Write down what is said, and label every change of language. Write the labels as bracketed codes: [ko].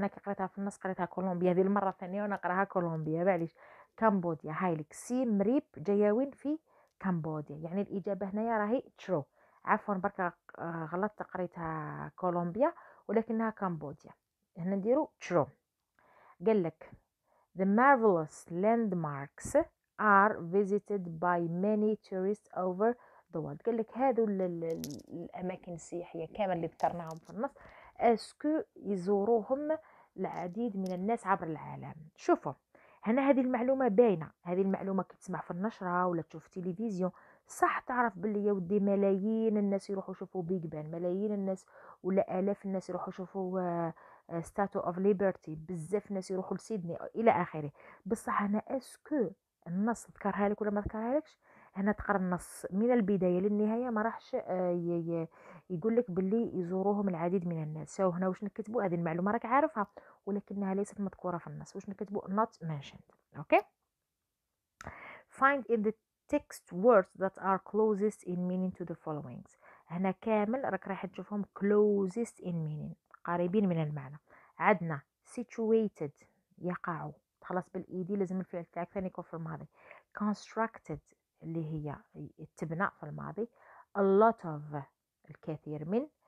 [ar] أنا قريتها في النص قريتها كولومبيا، هذه المرة الثانية ونقراها كولومبيا، معليش كمبوديا. هاي لك سيم ريب جاية وين؟ في كمبوديا. يعني الإجابة هنايا راهي ترو، عفوا بركة غلطت قريتها كولومبيا ولكنها كمبوديا. هنا نديرو ترو. قال لك [en] the marvelous landmarks are visited by many tourists over the world. [ar] قال لك هذو الأماكن السياحية كامل اللي ذكرناهم في النص اسكو يزوروهم العديد من الناس عبر العالم. شوفوا هنا هذه المعلومة باينة، هذه المعلومة كي تسمع في النشرة ولا تشوف تلفزيون صح تعرف باللي يودي ملايين الناس يروحوا يشوفوا بيج بان، ملايين الناس ولا الاف الناس يروحوا يشوفوا ستاتو اوف ليبرتي، بزاف ناس يروحوا لسيدني الى اخره. بصح انا اسكو النص ذكرها لك ولا ما ذكرها لكش؟ هنا تقرا النص من البدايه للنهايه، ما راحش يقول لك باللي يزوروهم العديد من الناس. شو هنا واش نكتبوا؟ هذه المعلومه راك عارفها ولكنها ليست مذكوره في النص، واش نكتبوا؟ [en] not mentioned. Okay find in the text words that are closest in meaning to the following. [ar] هنا كامل راك رايح تشوفهم [en] closest in meaning، [ar] قريبين من المعنى. عندنا situated يقع، خلاص بالايدي لازم الفعل تاعك ثاني يكون في الماضي. constructed اللي هي التبنى في الماضي. [en] a lot of [ar] الكثير من.